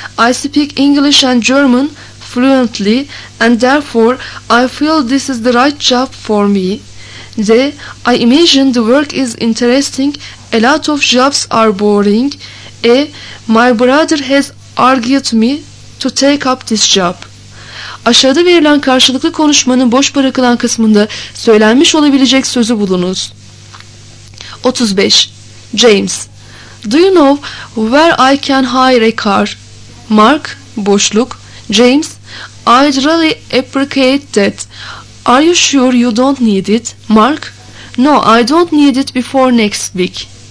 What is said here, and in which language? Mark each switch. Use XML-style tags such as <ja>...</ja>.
<en>I speak English and German fluently, and therefore I feel this is the right job for me. D. I imagine the work is interesting. A lot of jobs are boring. E. My brother has argued me to take up this job.</en> <tr>Aşağıda verilen karşılıklı konuşmanın boş bırakılan kısmında söylenmiş olabilecek sözü bulunuz. 35.</tr> <en>James, do you know where I can hire a car? Mark, boşluk. James, I'd really appreciate that. Are you sure you don't need it? Mark, no, I don't need it before next week.</en>